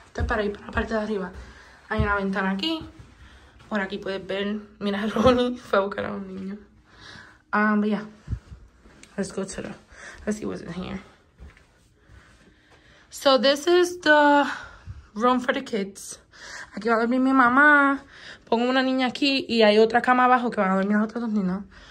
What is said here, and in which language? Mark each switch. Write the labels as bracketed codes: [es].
[es] Esto es para ir para la parte de arriba. Hay una ventana aquí. Por aquí puedes ver. Mira, Ronnie fue a buscar a un niño. [en] But yeah. Let's go to the... Let's see what's in here. So this is the room for the kids. [es] Aquí va a dormir mi mamá. Pongo una niña aquí y hay otra cama abajo que van a dormir las otras dos niñas.